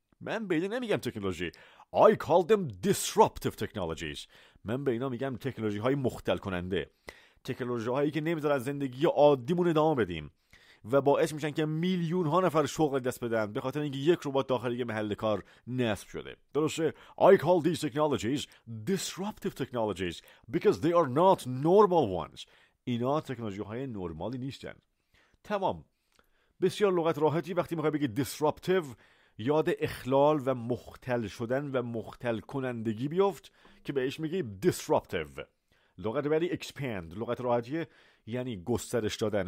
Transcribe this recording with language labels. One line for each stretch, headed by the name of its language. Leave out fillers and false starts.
Persian: من به اینا نمیگم تکنولوژی.
English: I call them disruptive technologies.
Persian: من به اینا میگم تکنولوژی های مختل کننده، تکنولوژی هایی که نمیذارن زندگی عادیمون ادامه بدیم و باعث میشن که میلیون ها نفر شغل دست بدن به خاطر اینکه یک ربات داخل یه محل کار نصب شده. درسته؟
English: I call these technologies disruptive technologies because they are not normal ones.
Persian: اینا تکنولوژی های نرمالی نیستن. تمام. بسیار لغت راحتی. وقتی میخوای بگی disruptive، یاد اخلال و مختل شدن و مختل کنندگی بیفت که بهش میگی disruptive. لغت بعدی expand، لغت راحتیه، یعنی گسترش دادن.